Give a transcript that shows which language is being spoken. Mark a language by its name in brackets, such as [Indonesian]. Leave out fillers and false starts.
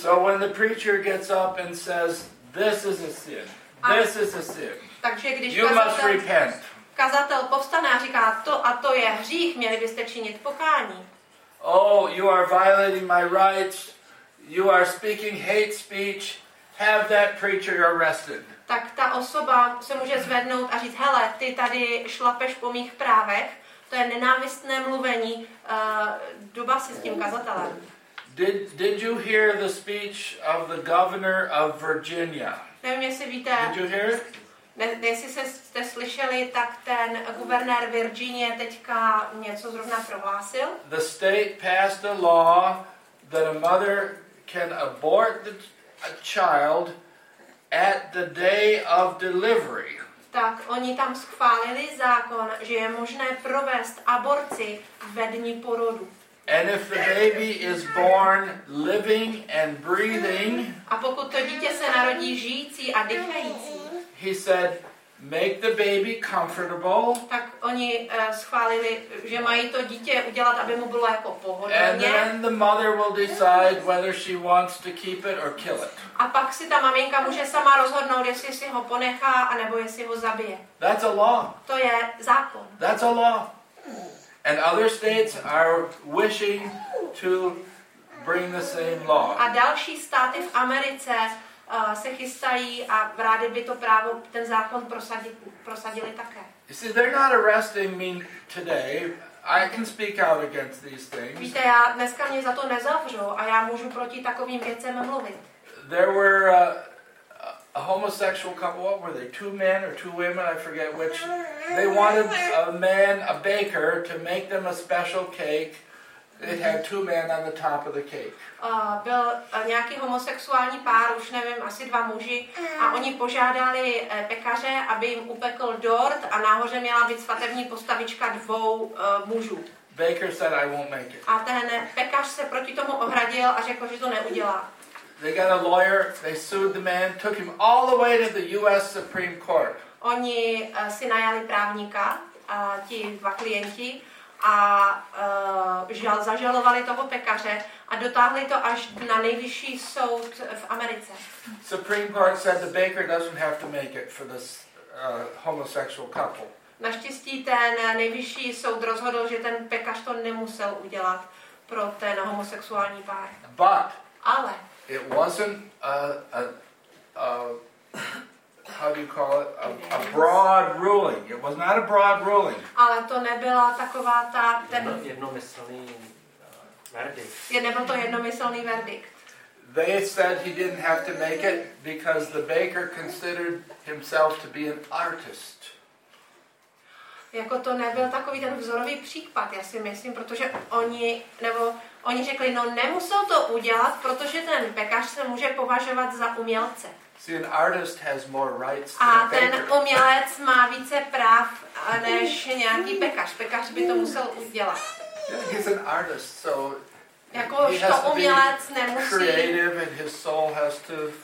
[English] So when the preacher gets up and says, this is a sin. This is a sin. [Czech] Takže když [English] you must repent. [Czech] Kazatel povstane a říká, to a to je hřích, měli byste činit pokání. [English] Oh, you are violating my rights. You are speaking hate speech. Have that preacher arrested. [Czech] Tak ta osoba se může zvednout a říct, hele, ty tady šlapeš po mých právech. To je nenávistné mluvení. Duba si s tím kazatelem. [English] Did you hear the speech of the governor of Virginia? [Czech] Nevím, jestli víte. [English] Did you hear it? [Czech] Jestli jste slyšeli, tak ten guvernér Virginie teďka něco zrovna prohlásil. [English] The state passed a law that a mother can abort a child at the day of delivery. [Czech] Tak oni tam schválili zákon, že je možné provést aborci ve dni porodu. [English] And if the baby is born living and breathing, [Czech] a pokud to dítě se narodí žijící a dýchající, [English] he said, make the baby comfortable. [Czech] Tak oni schválili, že mají to dítě udělat, aby mu bylo jako pohodlně. [English] And then the mother will decide whether she wants to keep it or kill it. [Czech] A pak si ta maminka může sama rozhodnout, jestli si ho ponechá a nebo jestli ho zabije. [English] That's a law. [Czech] To je zákon. [English] That's a law. And other states are wishing to bring the same law. [Czech] A další státy v Americe se chystají a rádi by to právo, ten zákon prosadili také. [English] You see, they're not arresting me today. I can speak out against these things. [Czech] Víte, já dneska mě za to nezavřou a já můžu proti takovým věcem mluvit. [English] There were a homosexual couple, what were they, two men or two women, I forget which, they wanted a man, a baker, to make them a special cake. It had two men on the top of the cake. [Czech] Byl nějaký homosexuální pár, už nevím, asi dva muži, a oni požádali pekaře, aby jim upekl dort a nahoře měla být svatební postavička dvou mužů. [English] Baker said, I won't make it. [Czech] A ten pekař se proti tomu ohradil a řekl, že to neudělá. [English] They got a lawyer, they sued the man, took him all the way to the US Supreme Court. [Czech] Oni si najali právníka, ti dva klienti, a zažalovali toho pekaře a dotáhli to až na nejvyšší soud v Americe. [English] Supreme Court said the baker doesn't have to make it for this homosexual couple. [Czech] Naštěstí ten nejvyšší soud rozhodl, že ten pekař to nemusel udělat pro ten homosexuální pár. [English] But [Czech] ale [English] it wasn't a broad ruling. It was not a broad ruling. [Czech] Ale to nebyla taková ta ten jednomyslný verdikt. Nebyl to jednomyslný verdikt. [English] They said he didn't have to make it because the baker considered himself to be an artist. [Czech] Jako to nebyl takový ten vzorový případ, já si myslím, protože oni řekli, no nemusel to udělat, protože ten pekař se může považovat za umělce. [English] See, an artist has more rights than [Czech] a ten umělec má více práv než nějaký pekař. Pekař by to musel udělat. [English] Yeah, he's an artist, so [Czech] jako to umělec nemusí. [English] Creative and his soul has to,